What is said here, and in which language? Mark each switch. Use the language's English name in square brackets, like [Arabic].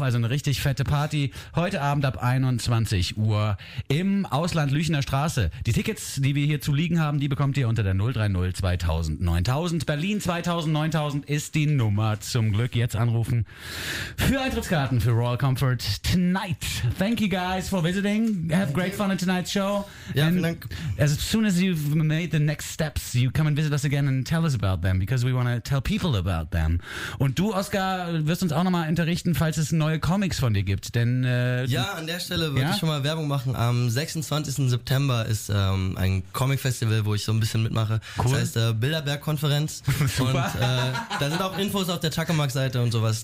[German] Also eine richtig fette Party heute Abend ab 21 Uhr im Ausland Lüchener Straße. Die Tickets, die wir hier zu liegen haben, die bekommt ihr unter der 030 2000 9000. Berlin 2000 9000 ist die Nummer. Zum Glück jetzt anrufen für Eintrittskarten für Royal Comfort tonight. [English] Thank you guys for visiting. Have great fun in tonight's show. [German] Ja, vielen Dank. [English] As soon as you've made the next steps, you come and visit us again and tell us about them, because we want to tell people about them. [German] Und du, Oscar, wirst uns auch nochmal unterrichten, falls es neue Comics von dir gibt, denn ja, an der Stelle würde ich schon mal Werbung machen. Am 26. September ist ein Comic-Festival, wo ich so ein bisschen mitmache. Cool. Das heißt Bilderberg-Konferenz. Super. Und da sind auch Infos auf der Chuckermark-Seite und sowas.